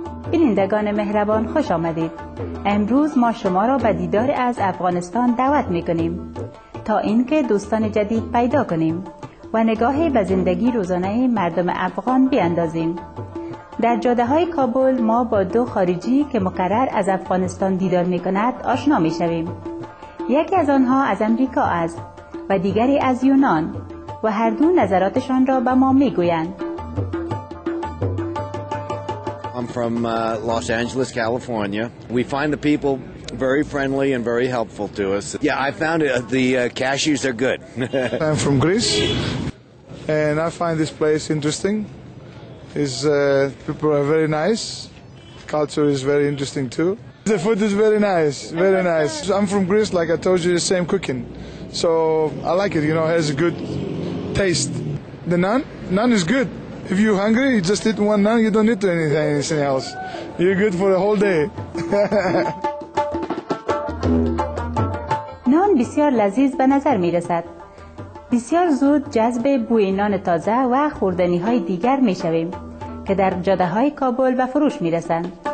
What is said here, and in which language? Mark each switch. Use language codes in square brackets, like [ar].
[fa] بینندگان مهربان خوش آمدید. امروز ما شما را به دیدار از افغانستان دعوت میکنیم تا اینکه دوستان جدید پیدا کنیم و نگاهی به زندگی روزانه مردم افغان بیاندازیم. در جاده های کابل ما با دو خارجی که مقرر از افغانستان دیدار میکند آشنا میشویم. یکی از آنها از امریکا است و دیگری از یونان و هر دو نظراتشان را به ما میگویند. [en] I'm from Los Angeles, California. We find the people very friendly and very helpful to us. Yeah, I found it. The cashews are good. I'm from Greece, and I find this place interesting. People are very nice. Culture is very interesting too. The food is very nice, very nice. I'm from Greece, like I told you, the same cooking. So I like it, you know, it has a good taste. The naan is good. If you're hungry, you just eat one naan, you don't need to anything else. You're good for the whole day. [fa] نان بسیار لذیذ به نظر می رسد. بسیار زود جذب بوی نان تازه و خوردنی های دیگر می شویم که در جاده های کابل به فروش می رسند.